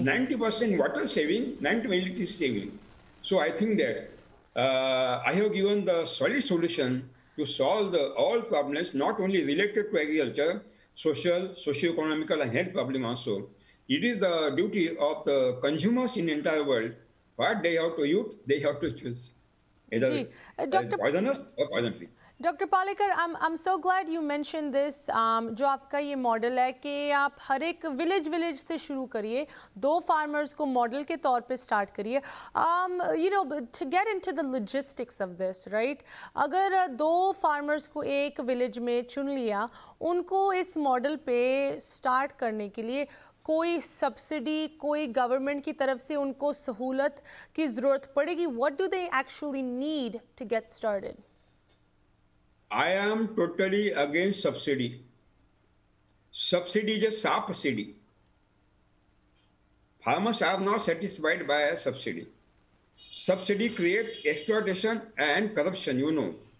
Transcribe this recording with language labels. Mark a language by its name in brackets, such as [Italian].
[English] 90% water saving, 90% electricity saving. So I think that I have given the solid solution to solve the all problems, not only related to agriculture, social, socio-economical and health problem also. It is the duty of the consumers in the entire world. What they have to eat, they have to choose. Either poisonous or poison free. Dr. Palekar, I'm so glad you mentioned this. [Hindi] जो आपका ये model है कि आप हर एक village से शुरू करिए, दो फार्मर्स को मॉडल के तौर पे स्टार्ट करिए. [English] You know, to get into the logistics of this, right? [Hindi] अगर दो फार्मर्स को एक विलेज में चुन लिया, उनको इस मॉडल पे स्टार्ट करने के लिए कोई सब्सिडी, कोई गवर्नमेंट की तरफ से उनको सहूलत की ज़रूरत पड़ेगी? [English] What do they actually need to get started? I am totally against subsidy. Subsidy is a subsidy. Farmers are not satisfied by a subsidy. Subsidy creates exploitation and corruption, you know.